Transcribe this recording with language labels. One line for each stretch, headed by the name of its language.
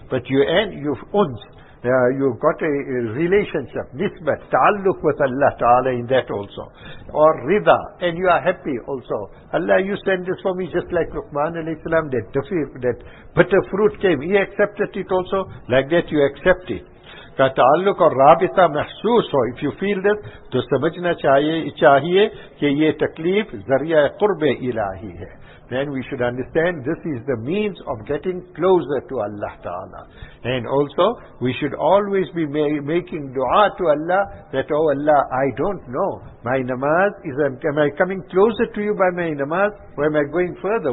English: But you've got a relationship, nisbat, ta'alluq with Allah Ta'ala in that also. Or rida, and you are happy also. Allah, you send this for me, just like Luqman alayhi salam, that bitter fruit came. He accepted it also, like that you accept it.
Urdu: تعلق اور رابطہ محسوس ہو.
English: If you feel this,
Urdu: تو سمجھنا چاہیے کہ یہ تکلیف ذریعہ قرب الہی ہے.
English: then we should understand this is the means of getting closer to Allah Ta'ala. And also, we should always be making dua to Allah that, oh Allah, I don't know. My namaz, am I coming closer to you by my namaz? Or am I going further?